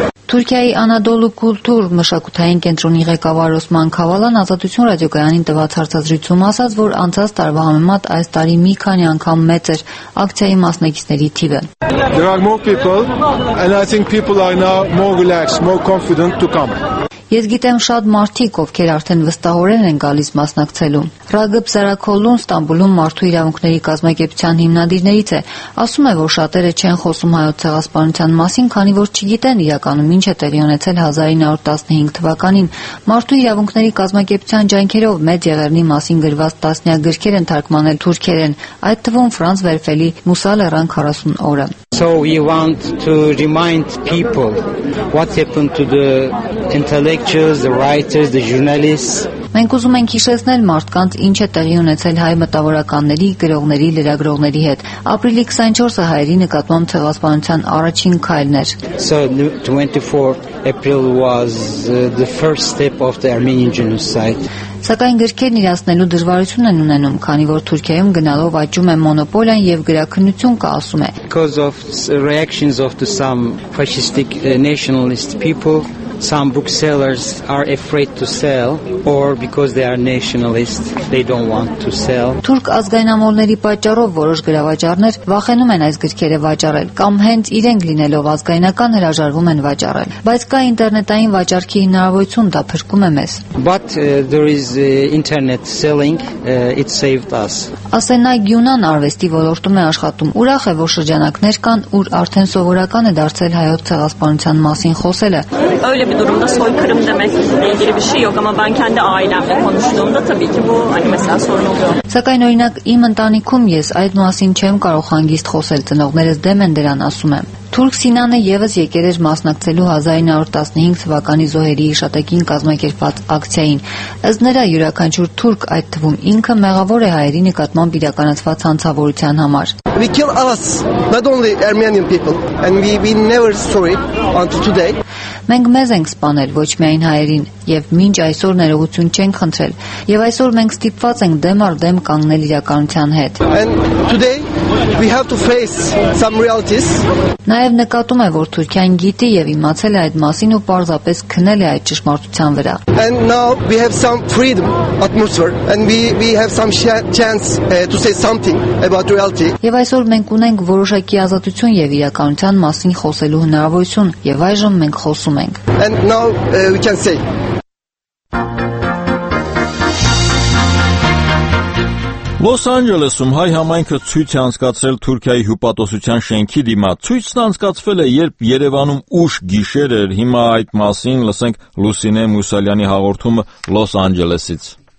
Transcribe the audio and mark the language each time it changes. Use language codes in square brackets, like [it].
[hy] Թուրքիայի Անադոլու Կուլտուր մշակութային կենտրոնի ղեկավար Օսման Քավալան Ազատություն ռադիոկայանին տված հարցազրույցում ասաց, որ անցած տարվա համեմատ այս տարի մի քանի անգամ մեծ էր ակցիայի մասնակիցների թիվը։ [en] There are more people and I think people are now more relaxed, more confident to come. [hy] Ես գիտեմ շատ մարդիկ, ովքեր արդեն վստահորեն են գալիս մասնակցելու։ Ռագիբ Սարաքոլուն Ստամբուլում մարդու իրավունքների կազմակերպության հիմնադիրներից է։ Ասում է, որ շատերը չեն խոսում հայոց ցեղասպանության մասին, քանի որ չգիտեն իրականում ինչ է տեղի ունեցել 1915 թվականին։ Մարդու իրավունքների կազմակերպության ջանքերով մեծ եղերնի մասին գրված տասնյակ գրքեր են թարգմանել թուրքերեն, այդ թվում Ֆրանց Վերֆելի Մուսա Լեռան 40 օրը։ [en] So we want to remind people what happened to the intellectuals, the writers, the journalists. [hy] Մենք ուզում ենք հիշեցնել մարդկանց ինչ է տեղի ունեցել հայ մտավորականների, գրողների, լրագրողների հետ։ Ապրիլի 24-ը հայերի նկատմամբ ցեղասպանության առաջին քայլն էր. [en] So 24 April was the first step of the Armenian genocide. [hy] Սակայն գրքերն իրացնելու դժվարություն են ունենում, քանի որ Թուրքիայում գնալով աճում է մոնոպոլիան եւ գրաքննություն կա, ասում է. [en] Because of reactions of the some fascistic nationalist people, some booksellers are afraid to sell, or because they are nationalist, they don't want to sell. [hy] Թուրք ազգայնամոլների պատճառով որոշ գրավաճառներ վախենում են այս գրքերը վաճառել, կամ հենց իրենք լինելով ազգայնական հրաժարվում են վաճառել, բայց կա ինտերնետային վաճառքի հնարավորություն, դա փրկում է մեզ. [en] But there is internet selling, it saved us. [hy] Ասենայ Գյունան արվեստի ոլորտում է աշխատում, ուրախ է, որ շրջանակներ կան, ուր արդեն սովորական է դարձել հայոց ցեղասպանության մասին խոսելը. [tr] Öyle bir durumda soykırım demekle ilgili bir şey yok ama ben kendi ailemle konuştuğumda tabii ki bu hani mesela sorun oluyor. [hy] Սակայն օրինակ իմ ընտանիքում ես այդ մասին չեմ կարող հանգիստ խոսել, ծնողներս դեմ են դրան, ասում եմ։ Թուրք Սինանը եւս եկել էր մասնակցելու 1915 թվականի զոհերի հիշատակին կազմակերպած ակցիային։ Ըստ նրա յուրաքանչյուր թուրք, այդ թվում ինքը, մեղավոր է հայերի նկատմամբ իրականացված հանցավորության համար։ [en] We kill us, not only Armenian people, and we never sorry until today. [hy] Մենք մեզ ենք սպանել, ոչ միայն հայերին, եւ մինչ այսօր ներողություն չենք խնդրել, եւ այսօր մենք ստիպված ենք դեմ առ դեմ կանգնել իրականության հետ։ [en] And today we have to face some realities. [hy] Նաև նկատում է, որ Թուրքիան գիտի եւ իմացել է այդ մասին ու պարզապես քնել է այդ ճշմարտության վրա։ [en] And now we have some freedom atmosphere and we have some chance to say something about reality. [hy] Եվ այսօր մենք ունենք որոշակի ազատություն եւ իրականության մասին խոսելու հնարավորություն եւ այժմ մենք խոսում ենք։ [en] And now we can say. [hy] Լոս Անջելեսում հայ համայնքը ցույց է անցկացրել Թուրքիայի հյուպատոսության շենքի դիմաց։ Ցույցն անցկացվել է, երբ Երևանում ուշ գիշեր էր։ Հիմա այդ մասին լսենք Լուսինե Մուսալյանի հաղորդումը Լոս Անջելեսից։